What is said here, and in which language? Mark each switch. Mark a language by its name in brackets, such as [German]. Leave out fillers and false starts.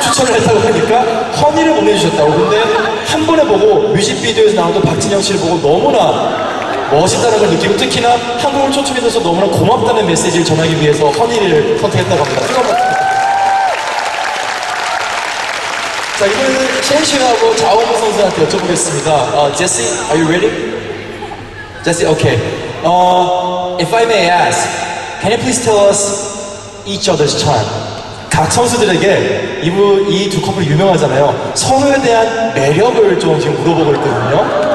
[Korean] 추천을 했다고 하니까 허니를 보내주셨다고. 근데 한 번에 보고 뮤직비디오에서 나오던 박진영 씨를 보고 너무나 멋있다는 걸 느끼고 특히나 한국을 초청해 줘서 너무나 고맙다는 메시지를 전하기 위해서 허니를 선택했다고 합니다. 자, 이번에는 첸시하고 자오호 선수한테 여쭤보겠습니다. [English] Jesse, are you ready? Jesse, okay. If I may ask, can you please tell us each other's charm? [Korean] 각 선수들에게 이 두 커플 유명하잖아요. 서로에 대한 매력을 좀 지금 물어보고 있거든요.